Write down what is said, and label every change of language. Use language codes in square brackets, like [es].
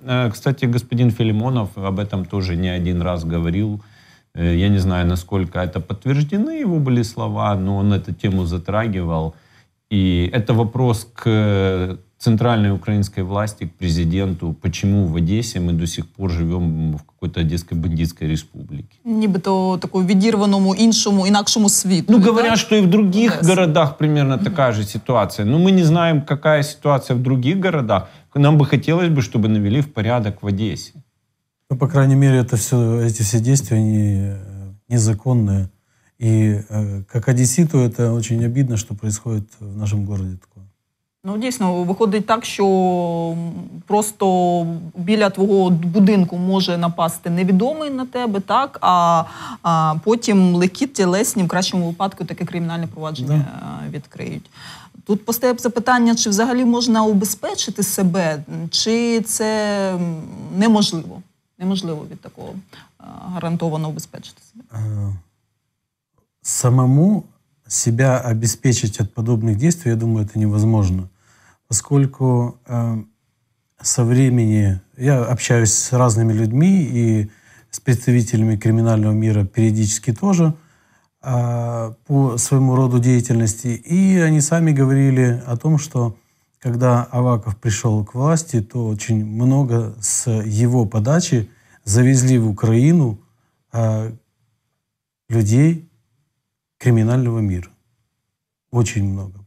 [ru] Кстати, господин Філімонов об этом тоже не один раз говорил. Я не знаю, наскільки это подтверждены его были слова, но он эту тему затрагивал. И это вопрос к центральной украинской власти, к президенту, почему в Одессе мы до сих пор живем в какой-то Одесской бандитской республике. [uk] Нібито такому відірваному, іншому, інакшому світу. [ru] Ну, говорят, да? Что и в других городах примерно такая же ситуация. Но мы не знаем, какая ситуация в других городах. Нам бы хотелось бы, чтобы навели в порядок в Одессе. Ну, по крайней мере, это все, эти все действия, они незаконные. И как одесситу, это очень обидно, что происходит в нашем городе такое. [uk] Ну, дійсно, виходить так, що просто біля твого будинку може напасти невідомий на тебе, так, а потім легкі тілесні, в кращому випадку, таке кримінальне провадження відкриють. Тут постає запитання, чи взагалі можна убезпечити себе, чи це неможливо? Неможливо від такого гарантовано убезпечити себе? Самому себе обезпечити від подобних дій, я думаю, це невозможно. [ru] Поскольку со времени я общаюсь с разными людьми и с представителями криминального мира периодически тоже по своему роду деятельности. И они сами говорили о том, что когда Аваков пришел к власти, то очень много с его подачи завезли в Украину людей криминального мира. Очень много.